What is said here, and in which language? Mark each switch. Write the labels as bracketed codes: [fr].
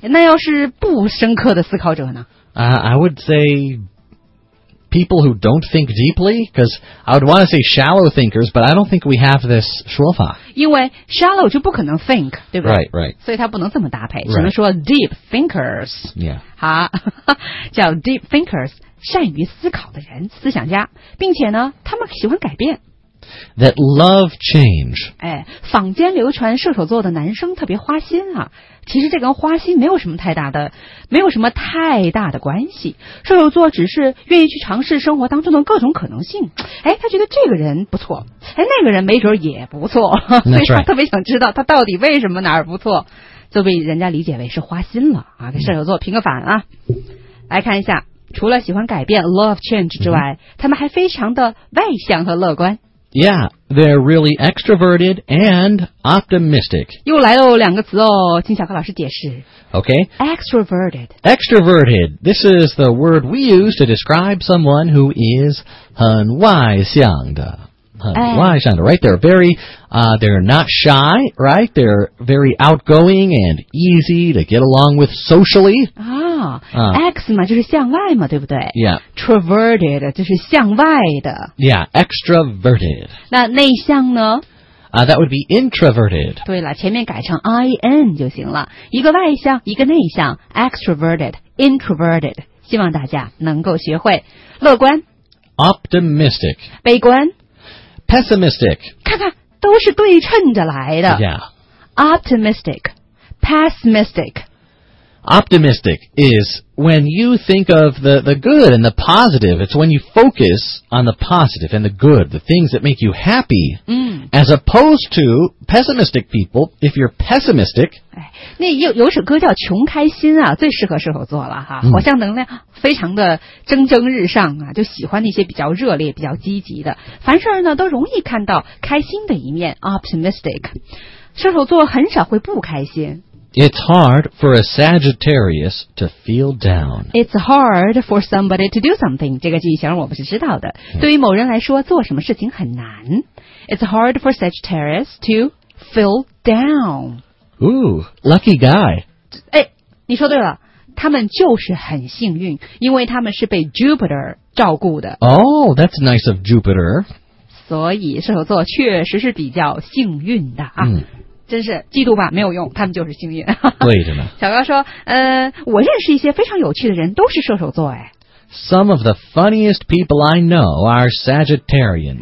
[zh] 那要是不深刻的思考者呢 [en] ？I would say people who don't think deeply, because I would want to say shallow thinkers, but I don't think we have this [zh] 说法。因为 shallow 就不可能 think， 对不对 [en] ？Right, right. [zh] 所以它不能这么搭配，只能说 [en] deep thinkers. Yeah. [zh] 好，叫 [en] deep thinkers， [zh] 善于思考的人，思想家，并且呢，他们喜欢改变。 [en] That love change. [zh] 哎，坊间流传射手座的男生特别花心啊。其实这跟花心没有什么太大的，没有什么太大的关系。射手座只是愿意去尝试生活当中的各种可能性。哎，他觉得这个人不错，哎，那个人没准也不错，所以他特别想知道他到底为什么哪儿不错，就被人家理解为是花心了啊。跟射手座平个反啊。来看一下除了喜欢改变 [en] love change [zh] 之外、mm-hmm. 他们还非常的外向和乐观。 [en] Yeah, they're really extroverted and optimistic. [zh] 又来了两个词哦，请小柯老师解释。 [en] Okay. Extroverted. Extroverted. This is the word we use to describe someone who is [zh] 很外向的。很外向的 [en] right? They're very, they're not shy, right? They're very outgoing and easy to get along with socially. [zh] X 嘛就是向外嘛对不对 [en] Yeah. [zh] Introverted 就是向外的。 [en] Yeah, extroverted. [zh] 那内向呢 [en] That would be introverted. [zh] 对了前面改成 IN 就行了。一个外向一个内向 [en] extroverted, introverted. [zh] 希望大家能够学会。乐观 [en] Optimistic. [zh] 悲观 [en] Pessimistic. [zh] 看看都是对称着来的。 [en] Yeah. Optimistic. Pessimistic. Optimistic is when you think of the good and the positive. It's when you focus on the positive and the good, the things that make you happy.、 Mm. As opposed to pessimistic people, if you're pessimistic. [zh] 那 有首歌叫穷开心啊最适合射手座了哈、mm. 好像能量非常的蒸蒸日上啊就喜欢那些比较热烈比较积极的。凡事呢都容易看到开心的一面 ,optimistic. 射手座很少会不开心。 [en] It's hard for a Sagittarius to feel down. It's hard for somebody to do something. [zh] 这个句型我们是知道的。对于某人来说做什么事情很难。 [en] It's hard for Sagittarius to feel down. Ooh, lucky guy. [zh] 哎，你说对了。他们就是很幸运，因为他们是被 Jupiter 照顾的。 [en] Oh, that's nice of Jupiter. [zh] 所以射手座确实是比较幸运的啊。嗯真是嫉妒吧没有用他们就是幸运。为什么小高说我认识一些非常有趣的人都是射手座哎。 [en] Some of the funniest people I know are Sagittarians.